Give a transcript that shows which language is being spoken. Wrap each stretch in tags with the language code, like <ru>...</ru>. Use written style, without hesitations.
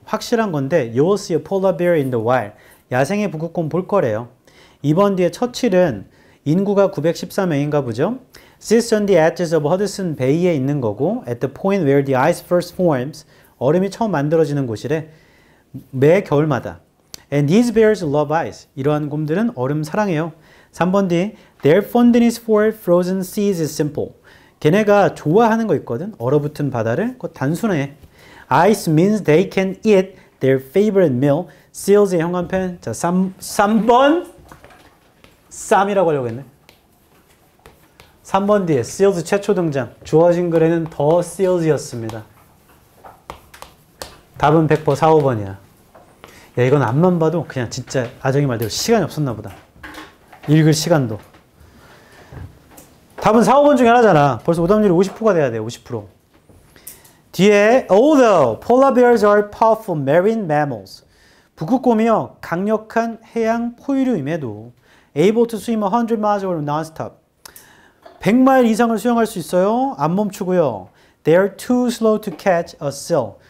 <ko>확실한 건데,</ko> <en>you'll see a polar bear in the wild.</en> <ko>야생의 북극곰 볼 거래요. 이번 뒤에 처칠은 인구가 914명인가 보죠?</ko> <en>Sits on the edges of Hudson Bay</en> <ko>에 있는 거고,</ko> <en>at the point where the ice first forms,</en> <ko>얼음이 처음 만들어지는 곳이래. 매 겨울마다.</ko> <en>And these bears love ice.</en> <ko>이러한 곰들은 얼음 사랑해요. 3번 뒤,</ko> <en>their fondness for frozen seas is simple.</en> <ko>걔네가 좋아하는 거 있거든? 얼어붙은 바다를? 그거 단순해.</ko> <en>Ice means they can eat their favorite meal.</en> <ko>Seals의 형광펜. 자, 3번. 쌈이라고 하려고 했네. 3번 뒤에 Seals 최초 등장. 주어진 글에는 더 Seals였습니다. 답은 100번 4, 5번이야. 야, 이건 앞만 봐도 그냥 진짜 아정이 말대로 시간이 없었나 보다. 읽을 시간도. 답은 4, 5번 중에 하나잖아. 벌써 오답률이 50%가 돼야 돼, 50%. 뒤에</ko> <en>Although polar bears are powerful marine mammals.</en> <ko>북극곰이요, 강력한 해양 포유류임에도</ko> <en>able to swim 100 miles non-stop.</en> <ko>100마일 이상을 수영할 수 있어요. 안 멈추고요.</ko> <en>They are too slow to catch a seal.</en>